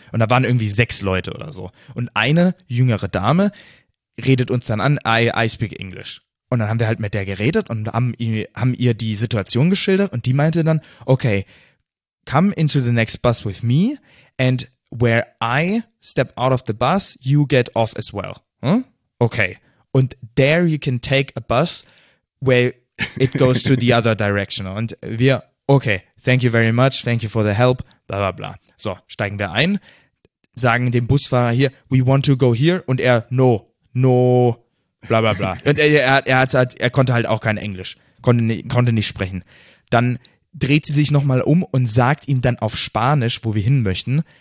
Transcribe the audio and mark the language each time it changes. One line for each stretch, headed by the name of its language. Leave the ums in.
German: Und da waren irgendwie sechs Leute oder so. Und eine jüngere Dame redet uns dann an,
English: I, I speak English.
German: Und dann haben wir halt mit der geredet und haben ihr, haben ihr die Situation geschildert und die meinte dann,
English: okay, come into the next bus with me and where I step out of the bus, you get off as well. Hm? Okay. Und there you can take a bus where it goes to the other direction.
German: Und wir,
English: okay, thank you very much, thank you for the help, bla bla bla.
German: So, steigen wir ein, sagen dem Busfahrer hier,
English: we want to go here
German: und er,
English: no, no,
German: bla bla bla. Und er, er, er, hat, halt- er konnte halt auch kein Englisch, konnte, ni- konnte nicht sprechen. Dann dreht sie sich nochmal um und sagt ihm dann auf Spanisch, wo wir hin möchten.